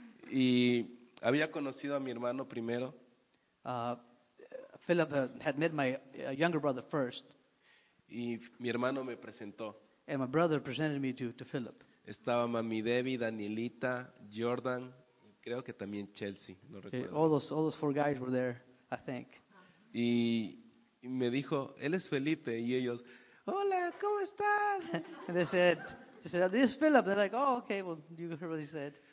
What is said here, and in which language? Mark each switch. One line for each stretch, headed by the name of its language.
Spanish: Y había conocido a mi hermano primero.
English: Philip had met my younger brother first.
Spanish: Y mi hermano me presentó.
English: And my brother presented me to Philip.
Spanish: Estaba Mami Debbie, Danielita, Jordan, creo que también Chelsea, no recuerdo.
English: All those four guys were there, I think.
Spanish: Y me dijo, él es Felipe, y ellos, hola, ¿cómo estás?
English: And they said, this is Philip. They're like, oh, okay, well, you heard what he said.